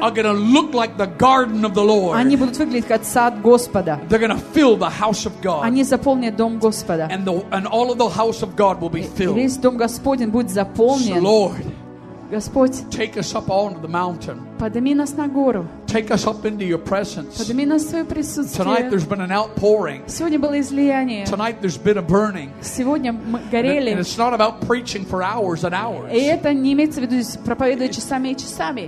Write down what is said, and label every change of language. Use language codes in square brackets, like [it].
[en] are gonna look like the garden of the Lord. [ru] Они будут выглядеть как сад Господа. [en] They're gonna fill the house of God. [ru] Они заполнят дом Господа. [en] And all of the house of God will be filled. [ru] Весь дом Господень будет заполнен. [en] So Lord, [ru] Господь, [en] take us up onto the mountain. [ru] Подними нас на гору. [en] Take us up into your presence. [ru] Подними нас в свое присутствие. [en] Tonight there's been an outpouring. [ru] Сегодня было излияние. [en] Tonight there's been a burning. [ru] Сегодня мы горели. [en] And it's not about preaching for hours and hours. [ru] И это не имеется в виду проповедовать часами и часами.